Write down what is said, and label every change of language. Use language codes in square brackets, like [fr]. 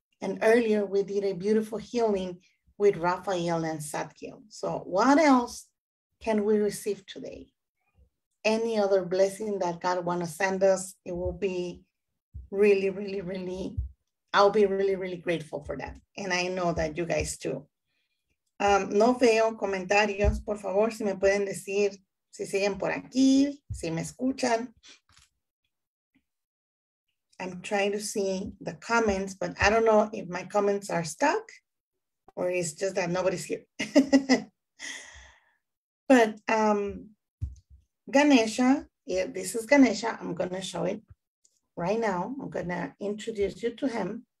[en] And earlier we did a beautiful healing with Raphael and Satkiel. So what else can we receive today? Any other blessing that God wants to send us, it will be really, really, really, I'll be really, really grateful for that. And I know that you guys too. [es] No veo comentarios, por favor, si me pueden decir si siguen por aquí, si me escuchan. [en] I'm trying to see the comments, but I don't know if my comments are stuck or it's just that nobody's here. But Ganesha, yeah, this is Ganesha. I'm going to show it right now. I'm going to introduce you to him.